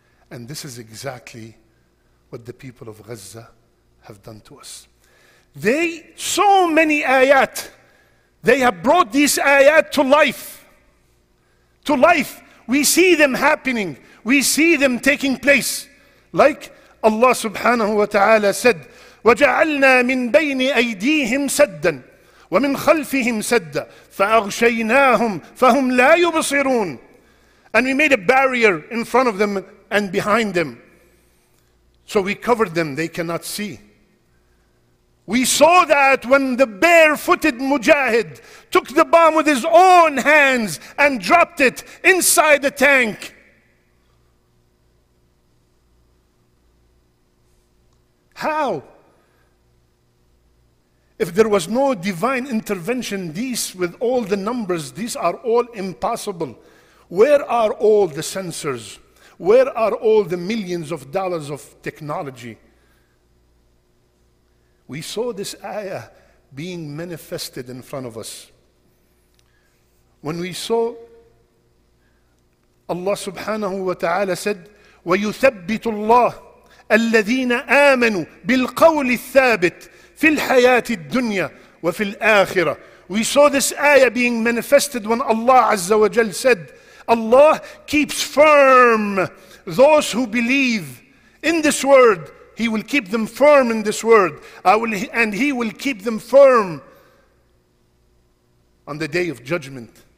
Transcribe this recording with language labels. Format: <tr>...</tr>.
<en>And this is exactly what the people of Gaza have done to us. They, so many ayat, they have brought these ayat to life. To life. We see them happening. We see them taking place. Like Allah subhanahu wa ta'ala said,</en> <ar>وَجَعَلْنَا مِنْ بَيْنِ أَيْدِيهِمْ سَدًّا وَمِنْ خَلْفِهِمْ سَدًّا فَأَغْشَيْنَاهُمْ فَهُمْ لَا يُبْصِرُونَ.</ar> <en>And we made a barrier in front of them and behind them. So we covered them, they cannot see. We saw that when the barefooted Mujahid took the bomb with his own hands and dropped it inside the tank. How? If there was no divine intervention, these with all the numbers, these are all impossible. Where are all the sensors? Where are all the millions of dollars of technology? We saw this ayah being manifested in front of us. When we saw Allah subhanahu wa ta'ala said,</en> <ar>وَيُثَبِّتُ اللَّهُ الَّذِينَ آمَنُوا بِالْقَوْلِ الثَّابِتِ فِي الْحَيَاةِ الدُّنْيَا وَفِي الْآخِرَةِ.</ar> <en>We saw this ayah being manifested when Allah Azza wa Jal said, Allah keeps firm those who believe in this word. He will keep them firm in this word. And he will keep them firm on the day of judgment.</en>